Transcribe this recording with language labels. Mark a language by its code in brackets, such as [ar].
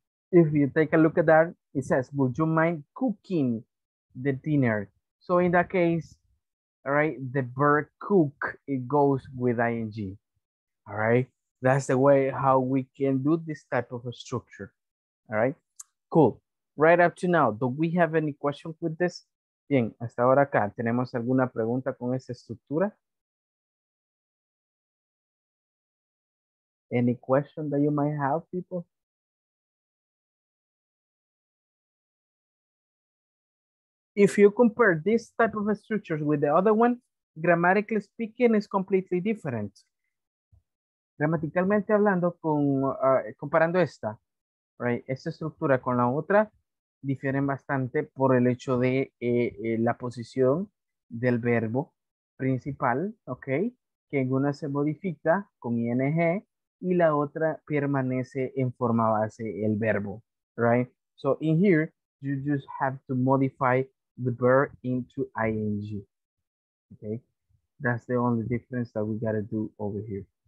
[en] If you take a look at that, it says, would you mind cooking the dinner? So in that case, all right, the verb cook, it goes with ing, all right? That's the way how we can do this type of a structure, all right? Cool. Right up to now, do we have any questions with this? Bien, hasta ahora acá, ¿tenemos alguna pregunta con esa estructura? Any question that you might have, people? If you compare this type of structures with the other one, grammatically speaking, it's completely different. [es] gramaticalmente hablando, con comparando esta, right, esta estructura con la otra, difieren bastante por el hecho de la posición del verbo principal, ¿ok? Que en una se modifica con ing y la otra permanece en forma base el verbo, right? [en] So in here, you just have to modify the verb into ing, okay? That's the only difference that we gotta do over here.